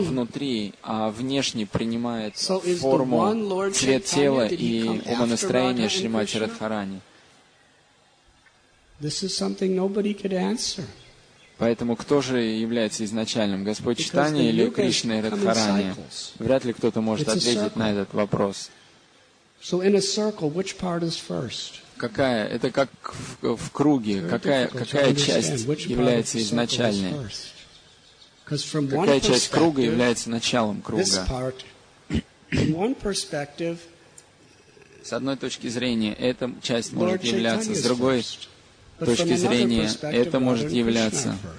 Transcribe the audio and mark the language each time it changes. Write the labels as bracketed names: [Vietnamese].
[Russian] Внутри, а внешне принимает форму, цвет тела и умонастроение Шримати Радхарани. [English] This is something nobody could answer. [Russian] Поэтому кто же является изначальным, Господь Читания или Кришна и Радхарани? Вряд ли кто-то может ответить на этот вопрос. [English] So in a circle, which part is first? [Russian] Какая? Это как в круге. Какая часть является изначальной? Какая часть круга является началом круга? [English] In one perspective, [Russian] с одной точки зрения, эта часть может являться, с другой с точки зрения, это может являться.